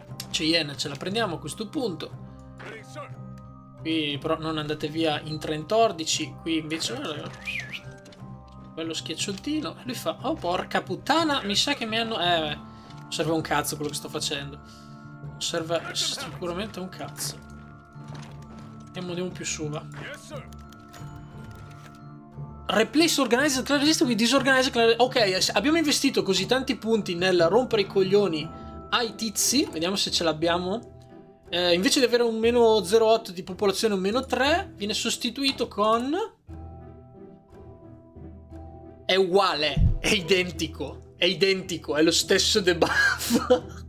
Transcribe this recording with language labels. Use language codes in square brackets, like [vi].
[it] Cheyenne ce la prendiamo a questo punto. Qui però non andate via in 3-14. Qui invece bello schiacciottino. Lui fa: oh porca puttana, mi sa che mi hanno... serve un cazzo quello che sto facendo. Serve sicuramente un cazzo. Andiamo più su, va. [en] Replace organized clan resistance with disorganized clan resistance. [it] Ok, abbiamo investito così tanti punti nel rompere i coglioni ai tizi. Vediamo se ce l'abbiamo. Invece di avere un meno 0,8 di popolazione, un meno 3, viene sostituito con... È uguale, è identico, è lo stesso debuff.